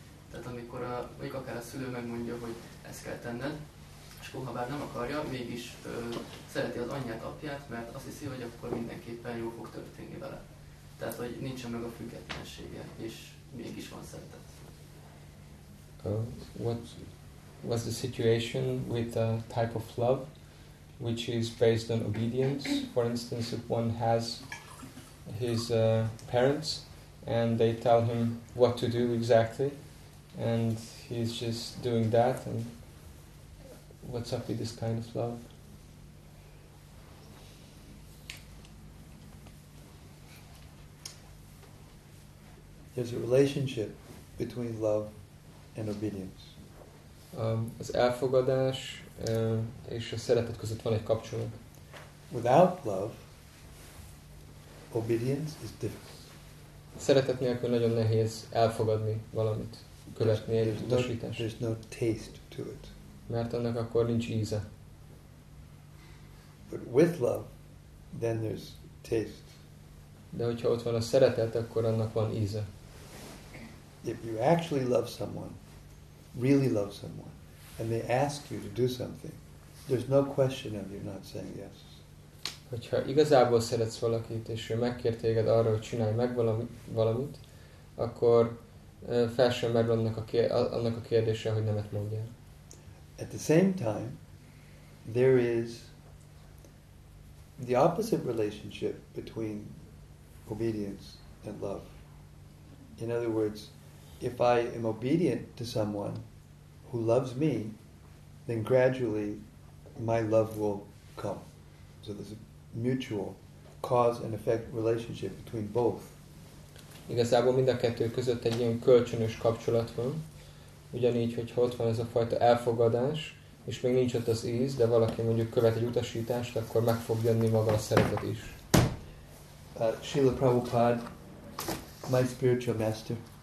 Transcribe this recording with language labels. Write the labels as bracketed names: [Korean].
[Hungarian] Tehát amikor mondjuk akár a szülő megmondja, hogy ezt kell tenned, és akkor ha bár nem akarja, mégis szereti az anyját, apját, mert azt hiszi, hogy akkor mindenképpen jó fog történni vele. Tehát, hogy nincsen meg a függetlensége, és mégis van szeretet. [English] What was the situation with a type of love which is based on obedience? For instance, if one has his parents, and they tell him what to do exactly, and he's just doing that, and what's up with this kind of love? There's a relationship between love and obedience. [Hungarian] Az elfogadás és a szeretet között van egy kapcsolat. [English] Without love, obedience is difficult. [Hungarian] Szeretet nélkül nagyon nehéz elfogadni valamit, követni egy utasítást. [English] There's no taste to it. [Hungarian] Mert annak akkor nincs íze. [English] But with love, then there's taste. [Hungarian] De hogyha ott van a szeretet, akkor annak van íze. [English] If you actually love someone, really love someone, and they ask you to do something, there's no question of you not saying yes. [Hungarian] Hogyha igazából szeretsz valakit, és ő megkér téged arra, hogy csinálj meg valamit, akkor fel sem merül annak a kérdése, hogy nemet mondjál. [English] At the same time, there is the opposite relationship between obedience and love. In other words, if I am obedient to someone who loves me, then gradually my love will come. So there's a mutual cause and effect relationship between both. [Hungarian] Igazából mind a kettő között egy ilyen kölcsönös kapcsolat van. Ugyanígy, hogy ott van ez a fajta elfogadás, és még nincs ott az íz, de valaki mondjuk követ egy utasítást, akkor meg fog jönni maga a szeretet is. [English] Srila Prabhupada, my spiritual master.